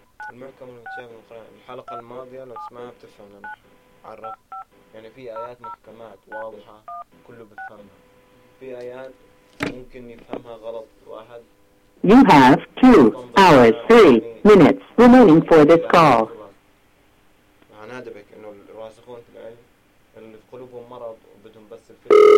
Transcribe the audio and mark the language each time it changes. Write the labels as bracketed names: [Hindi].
[Arabic] المحكم المتشابه من القرآن. الحلقة الماضية لو تسمعها بتفهم لما عرف. يعني في آيات محكمات واضحة كله بفهمها. في آيات ممكن يفهمها غلط واحد. [English] You have 2 hours 3 minutes remaining for this call. [Arabic] أنا أدبك إنه الراسخون في العلم اللي في قلوبهم مرض وبدهم بس الفكرة.